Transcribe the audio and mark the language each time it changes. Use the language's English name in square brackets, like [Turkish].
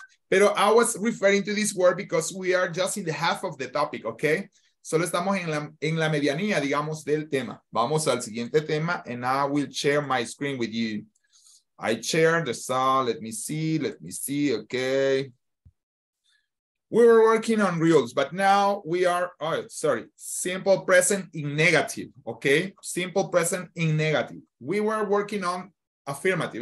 [Spanish] Pero [English] I was referring to this word because we are just in the half of the topic, okay? [Spanish] Solo estamos en la medianía, digamos, del tema. Vamos al siguiente tema [English] and I will share my screen with you. I share the song, let me see, okay? We were working on reels, but now we are, simple present in negative, okay? Simple present in negative. We were working on affirmative.